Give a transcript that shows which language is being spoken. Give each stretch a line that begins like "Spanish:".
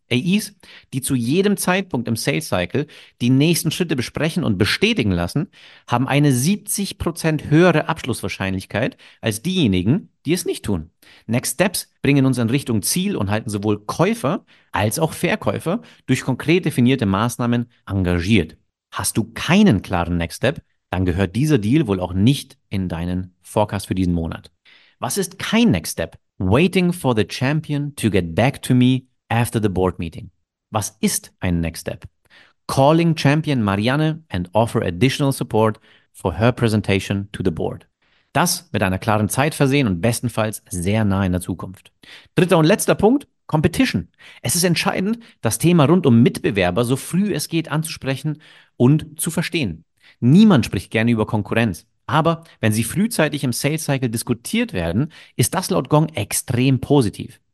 German: AEs, die zu jedem Zeitpunkt im Sales-Cycle die nächsten Schritte besprechen und bestätigen lassen, haben eine 70% höhere Abschlusswahrscheinlichkeit als diejenigen, die es nicht tun. Next Steps bringen uns in Richtung Ziel und halten sowohl Käufer als auch Verkäufer durch konkret definierte Maßnahmen engagiert. Hast du keinen klaren Next Step, dann gehört dieser Deal wohl auch nicht in deinen Forecast für diesen Monat. Was ist kein Next Step?
English: Waiting for the champion to get back to me after the board meeting.
German: Was ist ein Next Step?
English: Calling champion Marianne and offer additional support for her presentation to the board.
German: Das mit einer klaren Zeit versehen und bestenfalls sehr nah in der Zukunft. 3. und letzter Punkt, Competition. Es ist entscheidend, das Thema rund um Mitbewerber so früh es geht anzusprechen und zu verstehen. Niemand spricht gerne über Konkurrenz. Aber wenn sie frühzeitig im Sales Cycle diskutiert werden, ist das laut Gong extrem positiv.